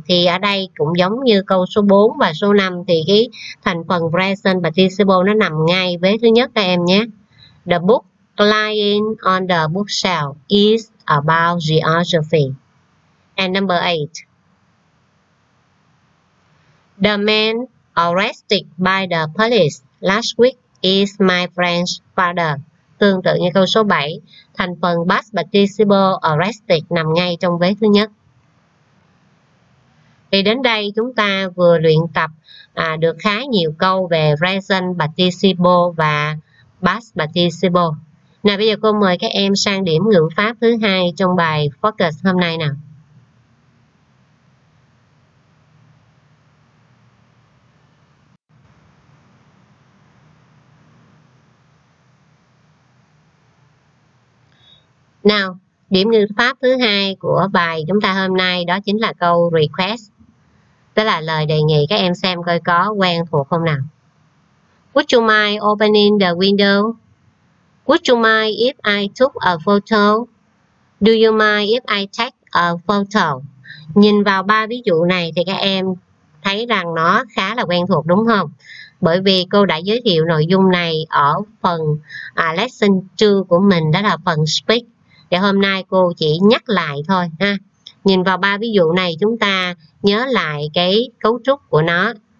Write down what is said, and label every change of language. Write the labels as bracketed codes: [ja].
[vi] Thì ở đây cũng giống như câu số 4 và số 5 thì cái thành phần present participle nó nằm ngay vế thứ nhất các em nhé. [en] The book lying on the bookshelf is about geography. And number 8. The man arrested by the police last week is my friend's father. [vi] Tương tự như câu số 7, thành phần past participle arrested nằm ngay trong vế thứ nhất. Thì đến đây chúng ta vừa luyện tập được khá nhiều câu về present participle và past participle. Nào bây giờ cô mời các em sang điểm ngữ pháp thứ hai trong bài focus hôm nay nào. Nào, điểm ngữ pháp thứ hai của bài chúng ta hôm nay đó chính là câu request. Tức là lời đề nghị, các em xem coi có quen thuộc không nào. [en] Would you mind opening the window? Would you mind if I took a photo? Do you mind if I take a photo? [vi] Nhìn vào ba ví dụ này thì các em thấy rằng nó khá là quen thuộc đúng không? Bởi vì cô đã giới thiệu nội dung này ở phần lesson 2 của mình, đó là phần speak. Thì hôm nay cô chỉ nhắc lại thôi ha. Nhìn vào ba ví dụ này chúng ta nhớ lại cái cấu trúc của nó.